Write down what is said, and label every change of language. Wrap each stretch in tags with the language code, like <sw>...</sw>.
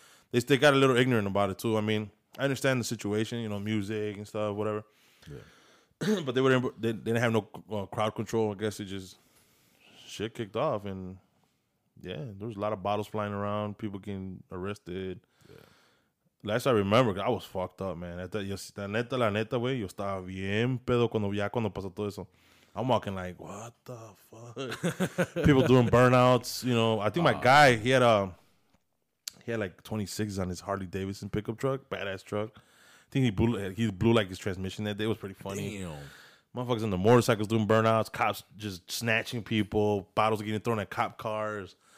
<en>They got a little ignorant about it, too. I mean, I understand the situation, you know, music and stuff, whatever. Yeah. But they didn't have no crowd control. I guess it just shit kicked off, and yeah, there was a lot of bottles flying around. People getting arrested. Yeah. Last I remember, I was fucked up, man.</en> <es>La neta, güey, yo estaba bien pedo cuando pasó todo eso.</es> <en>I'm walking like, what the fuck? People doing burnouts. You know, I think my guy he had like 26 on his Harley Davidson pickup truck, badass truck. I think he blew like his transmission that day. It was pretty funny. Damn. Motherfuckers on the motorcycles doing burnouts, cops just snatching people, bottles getting thrown at cop cars.</en>